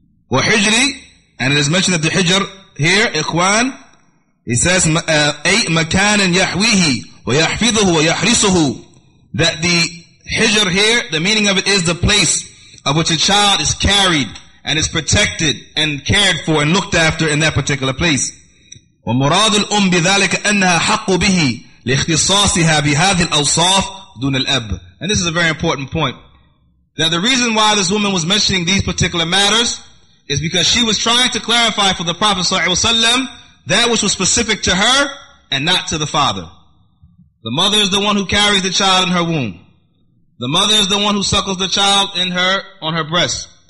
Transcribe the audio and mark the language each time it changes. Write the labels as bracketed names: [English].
[English] وحجري, and it is mentioned that the hijr here, إخوان, he says, [Arabic] أي مكان يحويه ويحفظه ويحرسه. [English] That the hijr here, the meaning of it is the place of which a child is carried and is protected and cared for and looked after in that particular place. [Arabic] ومراد الأم بذلك أنها حق به لاختصاصها بهذه الأوصاف دون الأب. [English] And this is a very important point. Now the reason why this woman was mentioning these particular matters is because she was trying to clarify for the Prophet ﷺ that which was specific to her and not to the father. The mother is the one who carries the child in her womb. The mother is the one who suckles the child in her, on her breast.